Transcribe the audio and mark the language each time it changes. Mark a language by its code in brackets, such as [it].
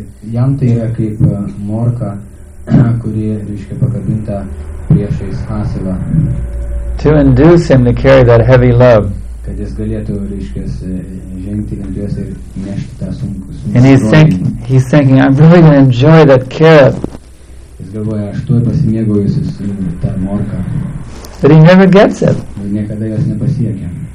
[lt] Jam tai yra kaip morka, kuri, reiškia, pakabinta priešais asilą. [en] To induce him to carry that heavy love. [lt] kad jis galėtų, reiškias, žengti ant jos ir nešti tą sunkų. [en] And he's thinking, I'm really going to enjoy that carrot. [lt] Jis galvoja, aš tuoj pasimėgaujusiu su ta morka. [en] But he never gets it. [lt] Ir niekada jos nepasiekia.